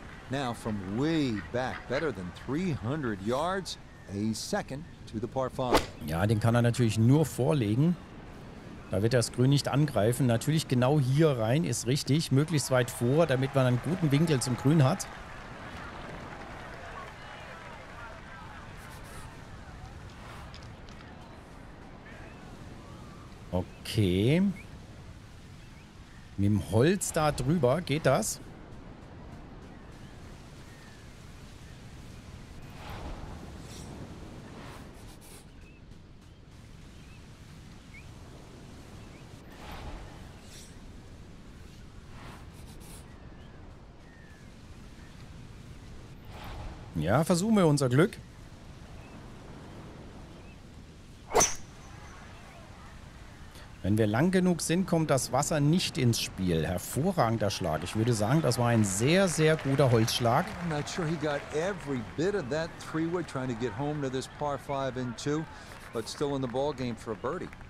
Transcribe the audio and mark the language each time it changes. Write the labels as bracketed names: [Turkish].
[English] Now from way back, better than 300 yards, a second to the par 5. [German] Ja, den kann er natürlich nur vorlegen. Da wird er das Grün nicht angreifen. Natürlich genau hier rein ist richtig, möglichst weit vor, damit man einen guten Winkel zum Grün hat. Okay. Mit dem Holz da drüber geht das. Ja, versuchen wir unser Glück. Wenn wir lang genug sind, kommt das Wasser nicht ins Spiel. Hervorragender Schlag. Ich würde sagen, das war ein sehr, sehr guter Holzschlag. [English] I'm not sure he got every bit of that three wood trying to get home to this par 5 in 2, but still in the ball game for a birdie.